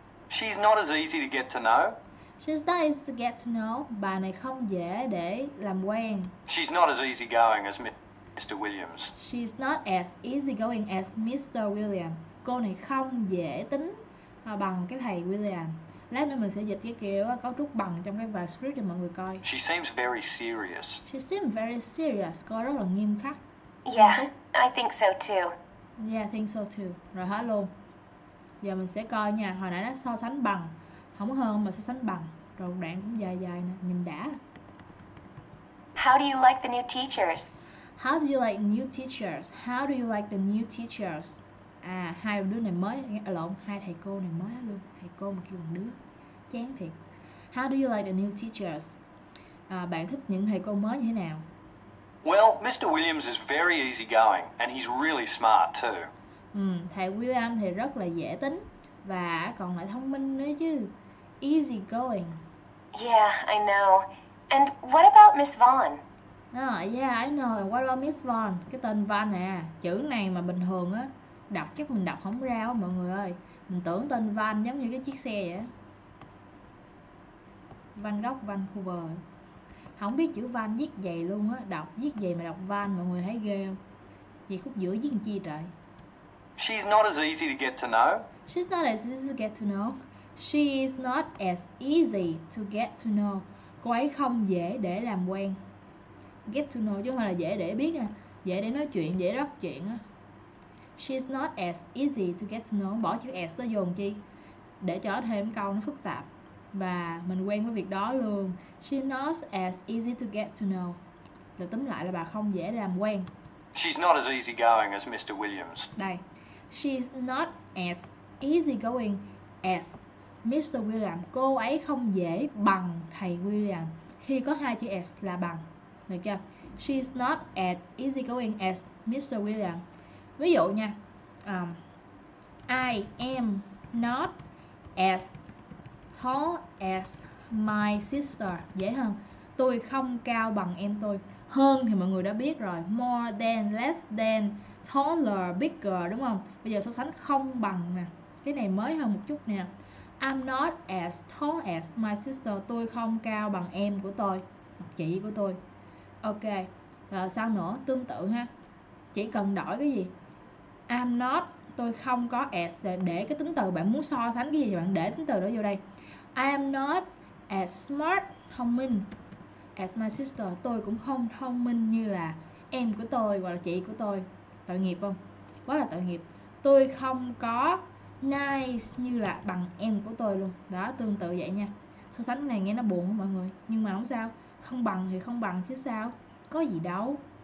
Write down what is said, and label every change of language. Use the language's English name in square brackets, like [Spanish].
[English] She's not as easy to get to know. She's not easy to get to know. [Vietnamese] Bà này không dễ để làm quen. [English] She's not as easy going as Mr. Williams. She's not as easy going as Mr. Williams. [Vietnamese] Cô này không dễ tính bằng cái thầy William. Lát nữa mình sẽ dịch cái kiểu cấu trúc bằng trong cái bài script cho mọi người coi. [English] She seems very serious. She seems very serious. [Vietnamese] Cô rất là nghiêm khắc. [English] Yeah, I think so too. Yeah, I think so too. [Vietnamese] Rồi hết luôn. Giờ mình sẽ coi nha. Hồi nãy nó so sánh bằng. Không hơn mà so sánh bằng. Rồi đoạn cũng dài dài nè. Nhìn đã. [English] How do you like the new teachers? How do you like new teachers? How do you like the new teachers? [Vietnamese] À, hai đứa này mới, lộn, hai thầy cô này mới luôn. Thầy cô mà kêu một đứa, chán thiệt. [English] How do you like the new teachers? [Vietnamese] À, bạn thích những thầy cô mới như thế nào? [English] Well, Mr. Williams is very easygoing and he's really smart too. [Vietnamese] Thầy William thì rất là dễ tính và còn lại thông minh nữa chứ. [English] Easygoing. Yeah, I know. And what about Miss Vaughn? Yeah, I know. What about Miss Vaughn? [Vietnamese] Cái tên Vaughn nè, chữ này mà bình thường á, đọc chắc mình đọc không ra quá mọi người ơi. Mình tưởng tên van giống như cái chiếc xe vậy. Van gốc, van cover. Không biết chữ van viết vậy luôn á. Đọc viết vậy mà đọc van mọi người thấy ghê không? Vậy khúc giữa viết làm chi trời. [English] She's not as easy to get to know. She's not as easy to get to know. She is not as easy to get to know. [Vietnamese] Cô ấy không dễ để làm quen. [English] Get to know [Vietnamese] chứ không phải là dễ để biết à. Dễ để nói chuyện, dễ bắt chuyện á. [English] She's not as easy to get to know. [Vietnamese] Bỏ chữ as đó dồn chi? Để cho thêm câu nó phức tạp. Và mình quen với việc đó luôn. [English] She's not as easy to get to know. [Vietnamese] Là tóm lại là bà không dễ làm quen. [English] She's not as easy going as Mr. Williams. Đây. She's not as easy going as Mr. Williams. [Vietnamese] Cô ấy không dễ bằng thầy William. Khi có hai chữ as là bằng. Được chưa? [English] She's not as easy going as Mr. Williams. [Vietnamese] Ví dụ nha. [English] I am not as tall as my sister. [Vietnamese] Dễ hơn. Tôi không cao bằng em tôi. Hơn thì mọi người đã biết rồi. [English] More than, less than, taller, bigger, [Vietnamese] đúng không? Bây giờ so sánh không bằng nè. Cái này mới hơn một chút nè. [English] I'm not as tall as my sister. [Vietnamese] Tôi không cao bằng em của tôi, chị của tôi. Ok, rồi sao nữa? Tương tự ha. Chỉ cần đổi cái gì? [English] I'm not, [Vietnamese] tôi không có as. Để cái tính từ bạn muốn so sánh cái gì thì bạn để tính từ đó vô đây. [English] I am not as smart, [Vietnamese] thông minh [English] as my sister. [Vietnamese] Tôi cũng không thông minh như là em của tôi hoặc là chị của tôi. Tội nghiệp không? Quá là tội nghiệp. Tôi không có nice như là bằng em của tôi luôn. Đó, tương tự vậy nha. So sánh này nghe nó buồn mọi người. Nhưng mà không sao. Không bằng thì không bằng chứ sao. Có gì đâu.